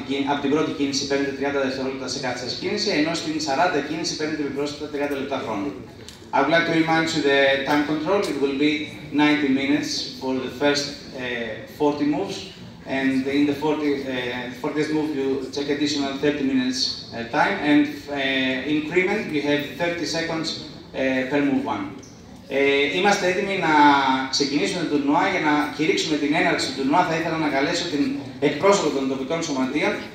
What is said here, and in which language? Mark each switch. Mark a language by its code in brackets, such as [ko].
[el] Από την πρώτη κίνηση παίρνετε 30 δευτερόλεπτα σε κάθε σας κίνηση, ενώ στην 40 κίνηση παίρνετε επιπρόσθετα 30 λεπτά χρόνου. [en] I would like to remind you the time control. It will be 90 minutes for the first 40 moves. And in the 40th move, you take additional 30 minutes time, and increment, you have 30 seconds per move one. [el] Είμαστε έτοιμοι να ξεκινήσουμε το τουρνουά. Για να κηρύξουμε την έναρξη του τουρνουά, θα ήθελα να καλέσω την εκπρόσωπο των τοπικών σωματείων.